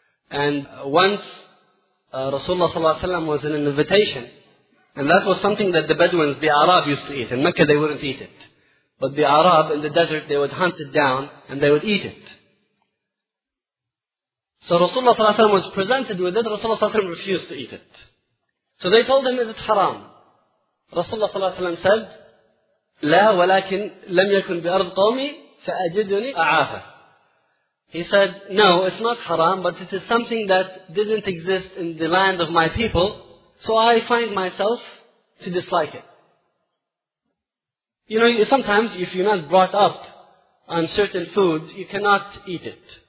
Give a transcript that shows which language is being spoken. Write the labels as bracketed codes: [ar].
[en] And once, Rasulullah sallallahu alayhi wa sallam was in an invitation, and that was something that the Bedouins, the Arab, used to eat. In Mecca, they wouldn't eat it. But the Arab, in the desert, they would hunt it down, and they would eat it. So Rasulullah sallallahu alayhi wa sallam was presented with it, Rasulullah sallallahu alayhi wa sallam refused to eat it. So they told him, is it haram? [ar] Rasulullah sallallahu alayhi wa sallam said, لا ولكن لم يكن بأرض قومي فأجدني أعافى. [en] He said, no, it's not haram, but it is something that didn't exist in the land of my people, so I find myself to dislike it. You know, sometimes if you're not brought up on certain foods, you cannot eat it.